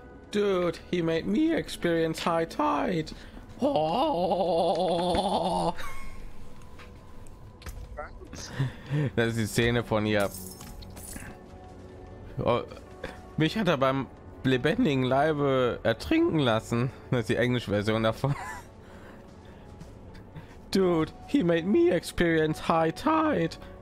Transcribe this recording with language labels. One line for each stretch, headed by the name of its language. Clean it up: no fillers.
English: Dude, he made me experience high tide.
German: Oh. Das ist die Szene von ihr. Oh, mich hat er beim lebendigen Leibe ertrinken lassen. Das ist die englische Version davon.
English: Dude, he made me experience high tide.